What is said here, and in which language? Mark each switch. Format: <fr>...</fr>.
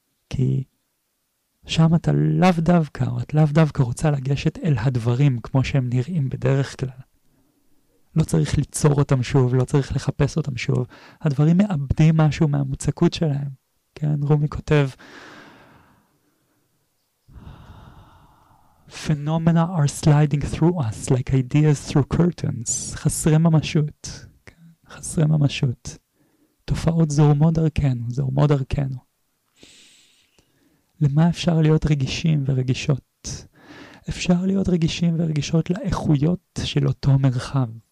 <he>כי שם אתה לאו דווקא, או את לאו דווקא רוצה לגשת אל הדברים כמו שהם נראים בדרך כלל. לא צריך ליצור אותם שוב, לא צריך לחפש אותם שוב. הדברים מאבדים משהו מהמוצקות שלהם. כן, רומי כותב,</he> <en>phenomena are sliding through us like ideas through curtains.</en> <he>חסרי ממשות. חסרי ממשות. תופעות זורמות דרכנו, זורמות דרכנו. למה אפשר להיות רגישים ורגישות? אפשר להיות רגישים ורגישות לאיכויות של אותו מרחב.</he>